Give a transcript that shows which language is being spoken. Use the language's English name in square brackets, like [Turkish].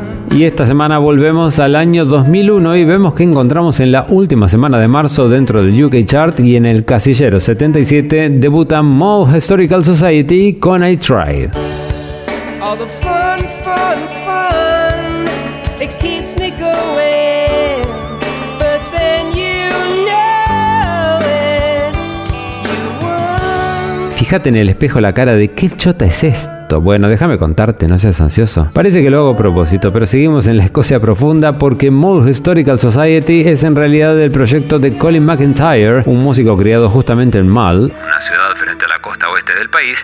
[Spanish] Y esta semana volvemos al año 2001 y vemos que encontramos en la última semana de marzo dentro del UK Chart y en el casillero 77 debuta Mod Historical Society con I Tried. [English] All the fun, fun, fun, it keeps me going, but then you know it, you won. [Spanish] Fíjate en el espejo la cara de qué chota es esta. Bueno, déjame contarte, no seas ansioso. Parece que lo hago a propósito, pero seguimos en la Escocia profunda porque Mod Historical Society es en realidad el proyecto de Colin McIntyre, un músico criado justamente en Mull, una ciudad frente a la costa oeste del país.